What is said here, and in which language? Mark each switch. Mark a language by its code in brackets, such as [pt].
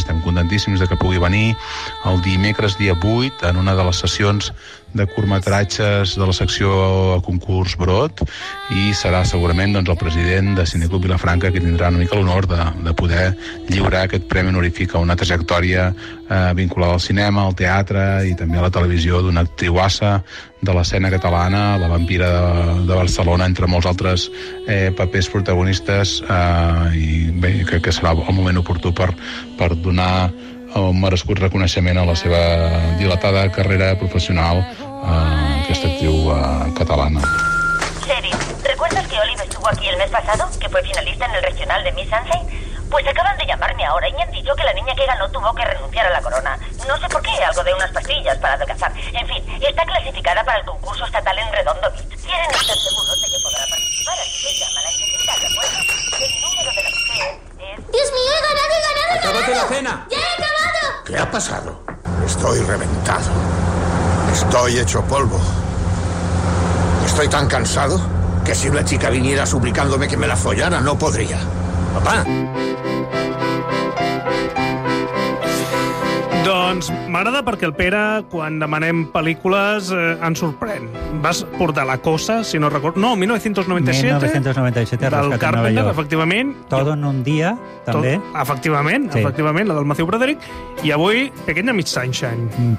[ca] Estem contentíssims de que pugui venir el dimecres dia 8 en una de les sessions de curtmetratges de la secció a concurs Brot, i serà segurament doncs, el president de Cineclub Vilafranca que tindrà una mica l'honor de poder lliurar aquest premi honorífic a una trajectòria vinculada al cinema, al teatre i també a la televisió d'una actriuassa de l'escena catalana, la vampira de Barcelona, entre molts altres papers protagonistes, i bé, crec que serà el moment oportú per donar un merescut reconeixement a la seva dilatada carrera professional aquesta actriu catalana. [es] Serio, ¿recuerdas que Oliver estuvo aquí el mes pasado? Que fue finalista en el regional de Miss Sunshine. Pues acaban de llamarme ahora y me han dicho que la niña que ganó tuvo que renunciar a la corona. No sé por qué, algo de unas pastillas para adelgazar. En fin, está clasificada para el concurso estatal en Redondo Beat. ¿Quieren estar seguros de que podrá participar? Así que llaman a enseguida, ¿de acuerdo? El número de la mujer es... ¡Dios mío, he ganado! ¡Acábate la cena! ¡Ya he acabado! ¿Qué ha pasado? Estoy reventado. Estoy hecho polvo. Estoy tan cansado que si una chica viniera suplicándome que me la follara, no podría. Papá. [ca] Doncs m'agrada perquè el Pere, quan demanem pel·lícules, ens sorprèn. Vas portar La Cosa, si no recordo... No, 1997. Del Carpenter, efectivament. Todo en un dia, també. Efectivament, la del Matthew Broderick. I avui, Pequeña Miss Sunshine.